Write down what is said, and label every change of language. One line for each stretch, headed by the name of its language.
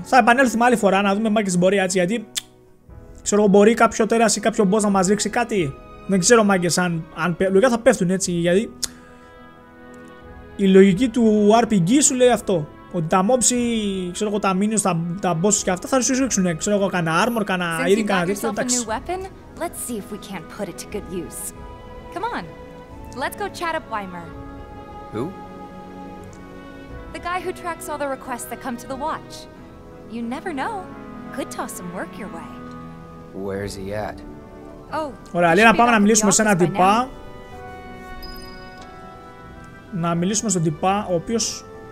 Greek: Θα επανέλθουμε άλλη φορά να δούμε μάγκες μπορεί έτσι, γιατί ξέρω εγώ, μπορεί κάποιο τέρας ή κάποιο boss να μας ρίξει κάτι. Δεν ξέρω μάγκες αν λογικά θα πέφτουν έτσι, γιατί η λογική του RPG σου λέει αυτό. Ότι τα mobs, ξέρω εγώ, τα minions, τα bosses και αυτά θα σου ρίξουν, ξέρω εγώ, κανένα armor, κανένα ήδη, κανένα τέτοιο, εντάξει.
English: Since you got yourself a new weapon, let's see if we can't put it to good use. Come on. Let's go chat up Weimer. Who? The guy who tracks all the requests that come to the watch. You never know. Could toss some work your way. Where is he at? Oh.
Greek: Ωραία, λέει να πάμε να μιλήσουμε σε έναν τυπά. Να μιλήσουμε στον τυπά ο οποίος.